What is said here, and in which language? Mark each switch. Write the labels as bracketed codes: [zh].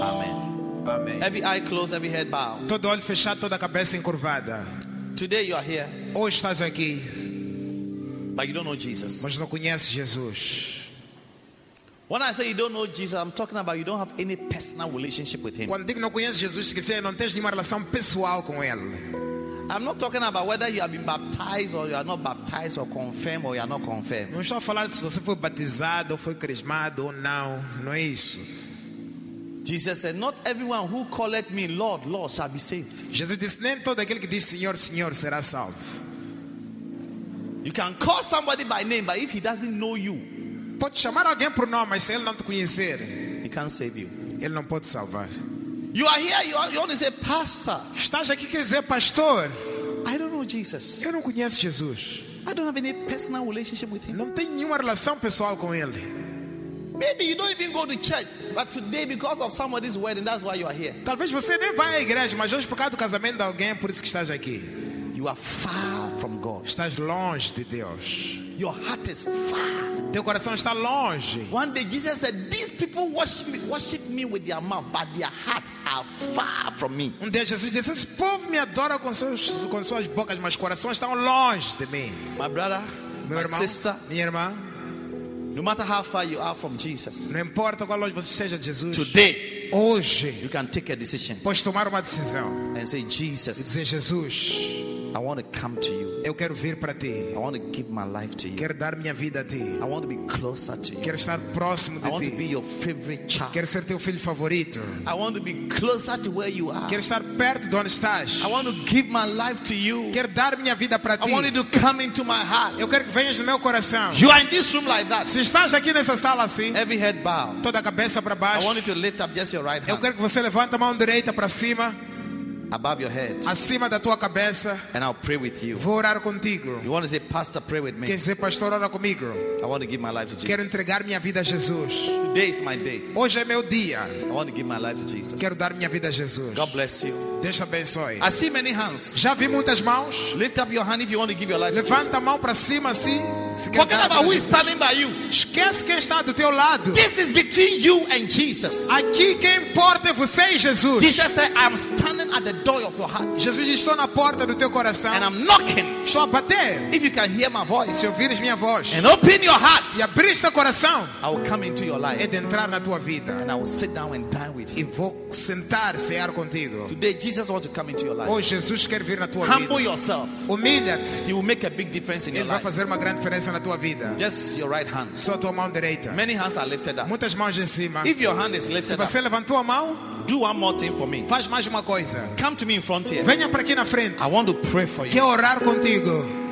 [en] Amen. [pt] Amém. [en] Every eye closed, every head bowed. [pt] Todo olho fechado, toda cabeça encurvada. [en] Today you are here. [pt] Hoje estás aqui. [en] But you don't know Jesus. [pt] Mas não conheces Jesus. [en] When I say you don't know Jesus, I'm talking about you don't have any personal relationship with him. [pt] Quando digo não conheces Jesus, significa que não tens nenhuma relação pessoal com ele. [en] I'm not talking about whether you have been baptized or you are not baptized or confirmed or you are not confirmed. [pt] Não estou a falar se você foi batizado ou foi crismado ou não. Não é isso. [en] Jesus said, "Not everyone who calleth me Lord, Lord shall be saved." [pt] Jesus disse, nem todo aquele que diz Senhor, Senhor será salvo. [en] You can call somebody by name, but if he doesn't know you, [pt] pode chamar alguém por nome, mas se ele não te conhecer, [en] he can't save you. [pt] Ele não pode salvar. [en] You are here. You only say, "Pastor." [pt] Estás aqui quer dizer pastor? [en] I don't know Jesus. [pt] Eu não conheço Jesus. [en] I don't have any personal relationship with him. [pt] Não tenho nenhuma relação pessoal com ele. [en] Maybe you don't even go to church, but today because of somebody's wedding, that's why you are here. [pt] Talvez você nem vá à igreja, mas hoje por causa do casamento de alguém, por isso que estás aqui. [en] You are far from God. [pt] Estás longe de Deus. [en] Your heart is far. [pt] Teu coração está longe. [en] One day Jesus said, "These people worship me with their mouth, but their hearts are far from me." [pt] Um dia Jesus disse, "Esse povo me adora com suas bocas, mas corações estão longe de mim." [en] My brother, [pt] meu irmão, [en] my sister, [pt] minha irmã. [en] No matter how far you are from Jesus, [pt] não importa qual longe você seja de Jesus. [en] Today, [pt] hoje, [en] you can take a decision. [pt] Pode tomar uma decisão. [en] And say, Jesus, [pt] e dizer Jesus, [en] I want to come to you. [pt] Eu quero vir para ti. [en] I want to give my life to you. [pt] Quero dar minha vida a ti. [en] I want to be closer to you. [pt] Quero estar próximo de ti. [en] I want to be your favorite child. [pt] Quero ser teu filho favorito. [en] I want to be closer to where you are. [pt] Quero estar perto de onde estás. [en] I want to give my life to you. [pt] Quero dar minha vida para ti. [en] I want you to come into my heart. [pt] Eu quero que venhas no meu coração. [en] You are in this room like that. [pt] Se estás aqui nessa sala assim. [en] Every head bowed. [pt] Toda a cabeça para baixo. [en] I want you to lift up just your right hand. [pt] Eu quero que você levante a mão direita para cima. [en] Above your head. [pt] Acima da tua cabeça. [en] And I'll pray with you. [pt] Vou orar contigo. [en] You want to say, "Pastor, pray with me." [pt] Quer dizer, pastor, ora comigo. [en] I want to give my life to Jesus. [pt] Quero entregar minha vida a Jesus. [en] Today is my day. [pt] Hoje é meu dia. [en] I want to give my life to Jesus. [pt] Quero dar minha vida a Jesus. [en] God bless you. [pt] Deus te abençoe. [en] I see many hands. [pt] Já vi muitas mãos. [en] Lift up your hand if you want to give your life [pt] Levanta [en] to Jesus. [pt] Levanta a mão para cima assim. [en] Forget about who is standing by you. [pt] Esquece quem está do teu lado. [en] This is between you and Jesus. [pt] Aqui quem importa é você e Jesus. [en] Jesus said, I'm standing at the door of your heart. [pt] Jesus diz, estou na porta do teu coração. [en] And I'm knocking. [pt] Estou a bater. [en] If you can hear my voice. [pt] Se ouvires minha voz. [en] And open your heart. [pt] E abrir teu coração. [en] I will come into your life. [pt] E de entrar na tua vida. [en] And I will sit down and dine with you. [pt] E vou sentar e cear contigo. [en] Today Jesus wants to come into your life. [pt] Hoje Jesus quer vir na tua [en] Humble [pt] vida. [en] Humble yourself. [pt] Humilha-te. [en] He will make a big difference in [pt] Ele [en] your life. [pt] Ele vai fazer uma grande diferença na tua vida. [en] Just your right hand. [pt] Só a tua mão direita. [en] Many hands are lifted up. [pt] Muitas mãos em cima. [en] If your hand is lifted [pt] Se você [en] up, [pt] levantou a mão, [en] do one more thing for me. [pt] Faz mais uma coisa. [en] Come to me in front here. [pt] Venha para aqui na frente. [en] I want to pray for you. [pt] Quero orar contigo.